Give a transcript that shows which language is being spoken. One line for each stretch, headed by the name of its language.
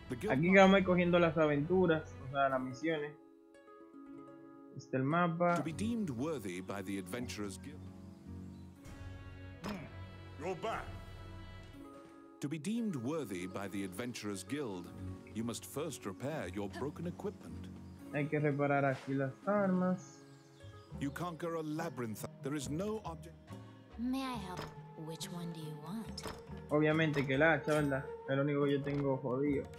Spanish: Aquí vamos a ir cogiendo las aventuras, o sea, las misiones. Este el mapa.
English: To be deemed worthy by the adventurer's guild. You're back. To be deemed worthy by the adventurer's guild, you must first repair your broken equipment.
Spanish: Hay que reparar aquí las armas.
English: You conquer a labyrinth. There is no object. May I help? Which one do you want?
Spanish: Obviamente que la hacha, ¿verdad? Es lo único que yo tengo jodido.